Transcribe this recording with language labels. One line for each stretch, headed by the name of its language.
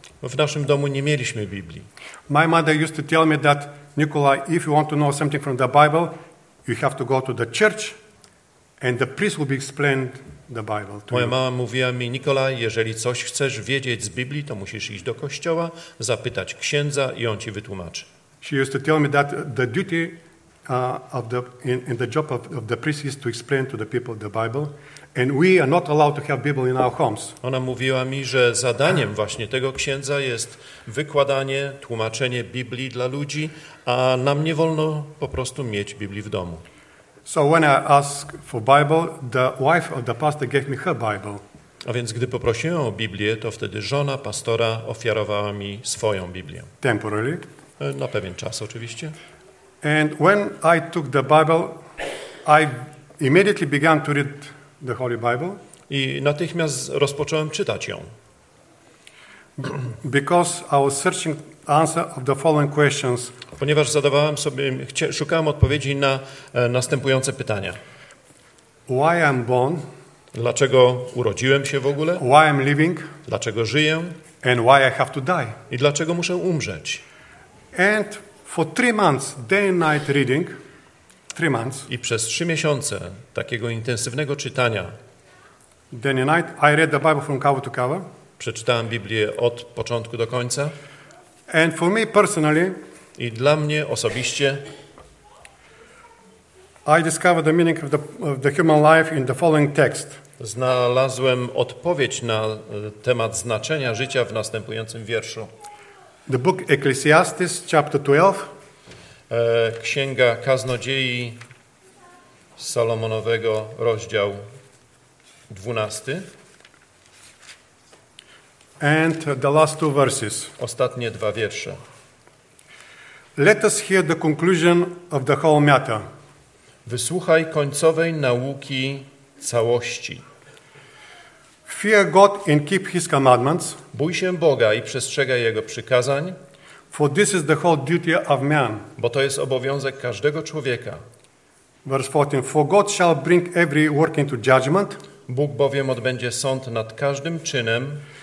Polish: W naszym domu nie mieliśmy Biblii.
English: My mother used to tell me that Nikolai, if you want to know something from the Bible, you have to go to the church and the priest will be explained the Bible to you.
Polish: Moja mama mówiła mi: Nikolaj, jeżeli coś chcesz wiedzieć z Biblii, to musisz iść do kościoła, zapytać księdza i on ci wytłumaczy.
English: She used to tell me that the duty of the in the job of the priest is to explain to the people the Bible, and we are not allowed to have Bible in our homes.
Polish: Ona mówiła mi, że zadaniem właśnie tego księdza jest wykładanie, tłumaczenie Biblii dla ludzi, a nam nie wolno po prostu mieć Biblii w domu.
English: So when I asked for Bible, the wife of the pastor gave me her Bible.
Polish: A więc gdy poprosiłem o Biblię, to wtedy żona pastora ofiarowała mi swoją Biblię.
English: Temporarily.
Polish: Na pewien czas, oczywiście.
English: And when I took the Bible, I immediately began to read the Holy Bible.
Polish: I natychmiast rozpocząłem czytać ją.
English: Because I was searching answer of the following questions.
Polish: Ponieważ zadawałem sobie, szukałem odpowiedzi na następujące pytania.
English: Why I'm born?
Polish: Dlaczego urodziłem się w ogóle?
English: Why I'm living?
Polish: Dlaczego żyję?
English: And why I have to die?
Polish: I dlaczego muszę umrzeć?
English: And for 3 months, day and night reading, 3 months.
Polish: I przez 3 miesiące takiego intensywnego czytania.
English: Day and night, I read the Bible from cover to cover.
Polish: Przeczytałem Biblię od początku do końca.
English: And for me personally,
Polish: i dla mnie osobiście,
English: I discovered the meaning of the human life in the following text.
Polish: Znalazłem odpowiedź na temat znaczenia życia w następującym wierszu.
English: The book Ecclesiastes, chapter 12.
Polish: Księga Kaznodziei Salomonowego, rozdział 12.
English: And the last two verses.
Polish: Ostatnie dwa wiersze.
English: Let us hear the conclusion of the whole matter.
Polish: Wysłuchaj końcowej nauki całości.
English: Fear God and keep his commandments.
Polish: Bój się Boga i przestrzegaj jego przykazań.
English: For this is the whole duty of man.
Polish: Bo to jest obowiązek każdego człowieka.
English: Verse 14. For God shall bring every work into judgment.
Polish: Bóg bowiem odbędzie sąd nad każdym czynem.